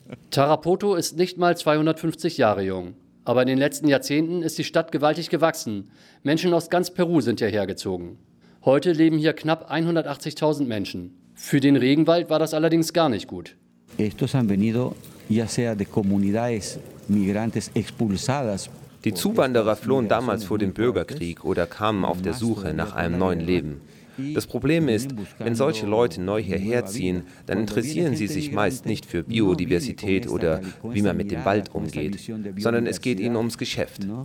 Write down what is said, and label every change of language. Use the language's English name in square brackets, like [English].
[German] Tarapoto ist nicht mal 250 Jahre jung. Aber in den letzten Jahrzehnten ist die Stadt gewaltig gewachsen. Menschen aus ganz Peru sind hierher gezogen. Heute leben hier knapp 180.000 Menschen. Für den Regenwald war das allerdings gar nicht gut. [Spanish] Estos han venido ya sea de comunidades migrantes expulsadas. [German] Die Zuwanderer flohen damals vor dem Bürgerkrieg oder kamen auf der Suche nach einem neuen Leben. Das Problem ist, wenn solche Leute neu hierher ziehen, dann interessieren sie sich meist nicht für Biodiversität oder wie man mit dem Wald umgeht, sondern es geht ihnen ums Geschäft.